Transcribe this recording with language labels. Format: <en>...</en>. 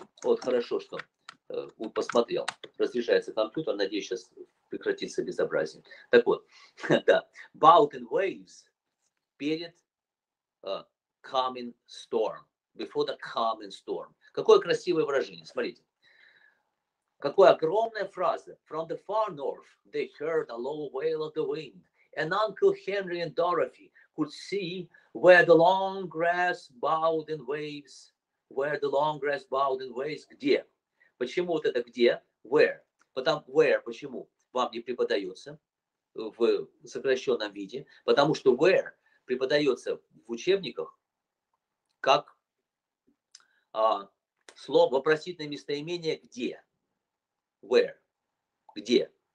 <ru>Вот, хорошо, что посмотрел. Разряжается компьютер, надеюсь, сейчас прекратится безобразие. Так вот, да,</ru> <en>bowed in waves</en> <ru>перед</ru> <en>coming storm, before the coming storm.</en> <ru>Какое красивое выражение, смотрите. Какая огромная фраза.</ru> <en>From the far north, they heard a low wail of the wind, and Uncle Henry and Dorothy could see where the long grass bowed in waves, where the long grass bowed in waves,</en> <ru>где? Почему вот это где? Where? Потому where, почему? Вам не преподается в сокращенном виде, потому что where преподается в учебниках как слово, вопросительное местоимение где?</ru> <en>Where?</en> <ru>Где?</ru>